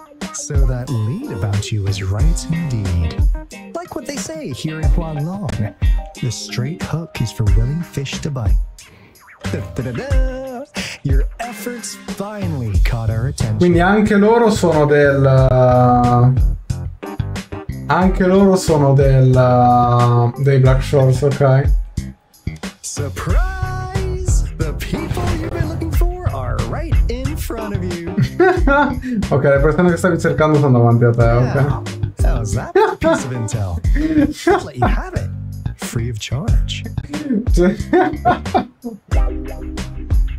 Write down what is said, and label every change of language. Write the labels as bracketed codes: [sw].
[en] So that lead about you is right indeed. Like what they say here in Guanglong. The straight hook is for willing fish to bite. Da, da, da, da. Your efforts finally caught our attention. [it] Quindi anche loro sono del dei Black Shores, ok? [en] Surprise! The people you've been looking for are right in front of you. [it] Ok, le persone che stavi cercando sono davanti a te, ok?